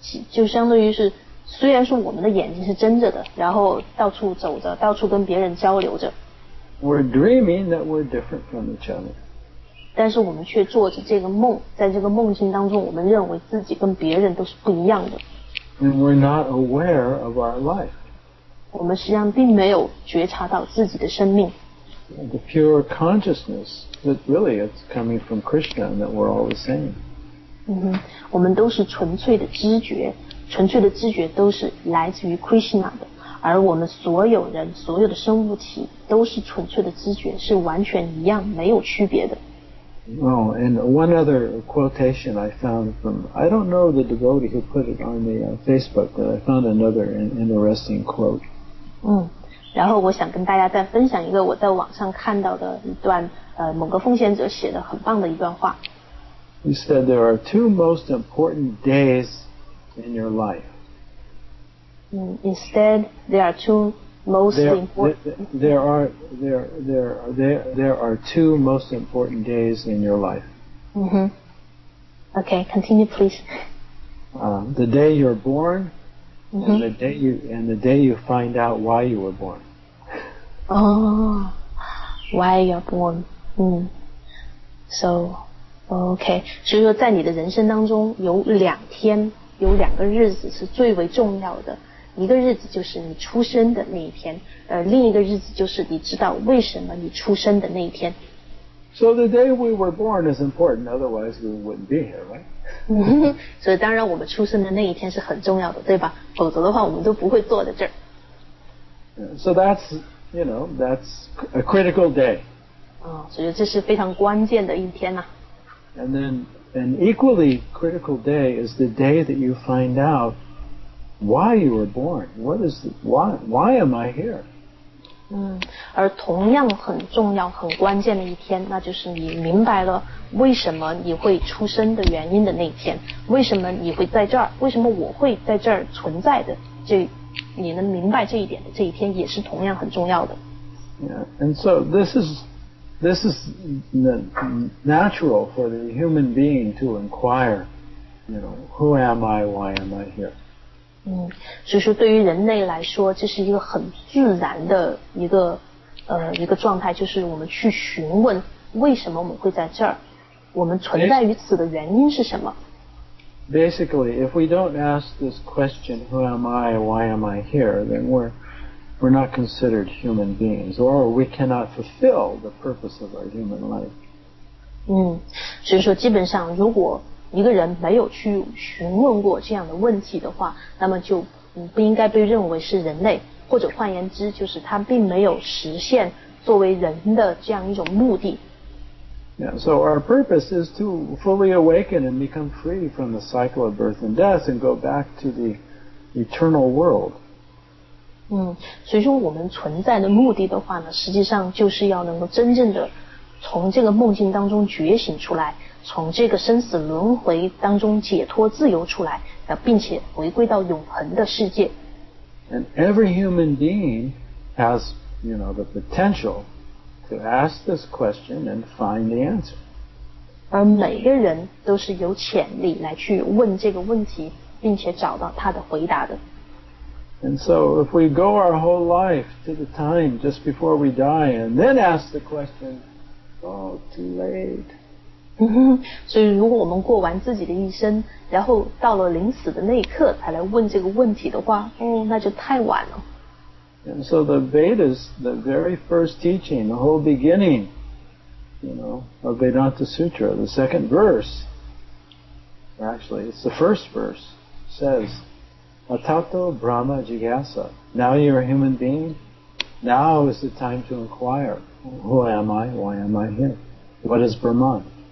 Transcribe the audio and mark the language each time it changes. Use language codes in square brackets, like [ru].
[zh] 就相当于是虽然说我们的眼睛是睁着的，然后到处走着，到处跟别人交流着。 [en] We're dreaming that we're different from each other. [zh] 但是我们却做着这个梦，在这个梦境当中我们认为自己跟别人都是不一样的。 [en] And we're not aware of our life. [zh] 我们实际上并没有觉察到自己的生命。 [en] The pure consciousness that really it's coming from Krishna and that we're all the same. [zh] 我们都是纯粹的知觉，纯粹的知觉都是来自于 Krishna 的，而我们所有人所有的生物体都是纯粹的知觉，是完全一样，没有区别的。 [en] Oh, and one other quotation I found from, I don't know the devotee who put it on the Facebook, but I found another interesting quote. [zh] 然后我想跟大家再分享一个我在网上看到的一段某个奉献者写的很棒的一段话。 [en] He said there are two most important days in your life. Instead, there are two most important. There are two most important days in your life. Okay, continue, please. The day you're born, and the day you find out why you were born. Why you're born? So, okay. [zh] 所以说在你的人生当中有两天，有两个日子是最为重要的。一个日子就是你出生的那一天，另一个日子就是你知道为什么你出生的那一天。 [en] So the day we were born is important, otherwise we wouldn't be here, right? [zh] 所以当然我们出生的那一天是很重要的，对吧？否则的话我们都不会坐在这儿。 [en] So that's you know, that's a critical day. [zh] 所以这是非常关键的一天啊。 [en] And then an equally critical day is the day that you find out why you were born. What is the, why am I here? [zh] 而同样很重要很关键的一天，那就是你明白了为什么你会出生的原因的那一天，为什么你会在这儿，为什么我会在这儿存在的，这你能明白这一点的这一天也是同样很重要的。 [en] Yeah, and so this is natural for the human being to inquire, you know, who am I, why am I here? [zh] 所以说对于人类来说这是一个很自然的一个状态，就是我们去询问为什么我们会在这儿，我们存在于此的原因是什么。 [en] Basically, if we don't ask this question, who am I, why am I here, then we're not considered human beings, or we cannot fulfill the purpose of our human life. [zh] 所以说基本上如果一个人没有去询问过这样的问题的话，那么就不应该被认为是人类，或者换言之就是他并没有实现作为人的这样一种目的。 [en] Yeah, so our purpose is to fully awaken and become free from the cycle of birth and death and go back to the eternal world. [zh] 所以说我们存在的目的的话呢，实际上就是要能够真正的从这个梦境当中觉醒出来，从这个生死轮回当中解脱自由出来，并且回归到永恒的世界。 [en] And every human being has, you know, the potential to ask this question and find the answer. [zh] 而每个人都是有潜力来去问这个问题并且找到他的回答的。 [en] And so if we go our whole life to the time just before we die and then ask the question, oh, too late. [zh] 所以如果我们过完自己的一生，然后到了临死的那一刻才来问这个问题的话，那就太晚了。 [en] And so the Vedas, the very first teaching, the whole beginning, you know, of Vedanta Sutra, the second verse, actually it's the first verse, says [sa] Atato Brahma Jigyasa, [en] now you're a human being, now is the time to inquire, who am I, why am I here, what is Brahman?